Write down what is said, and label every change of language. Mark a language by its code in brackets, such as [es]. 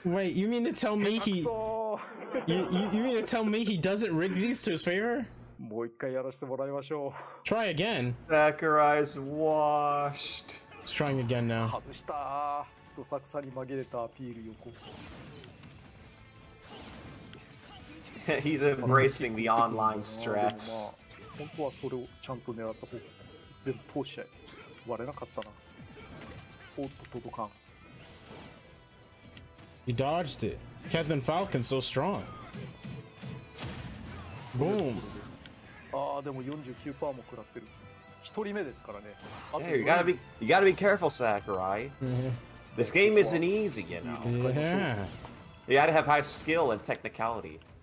[en] Wait, you mean to tell me he? you mean to tell me he doesn't rig these to his favor? [ja] もう一回やらせてもらいましょう。 [en] Try again. Sakurai's washed. He's trying again now. [ja] 外した。どさくさに紛れたアピール横。 [en] He's embracing the online strats. [ja] 本当はそれをちゃんと狙った方が全部通しちゃい割れなかったな。おっと届かん。 [en] He dodged it. Captain Falcon so strong. Boom. [ja] ああでも 49% も食らってる。一人目ですからね。 [en] Hey, you gotta be careful, Sakurai. This game isn't easy, you know. Yeah. You gotta have high skill and technicality.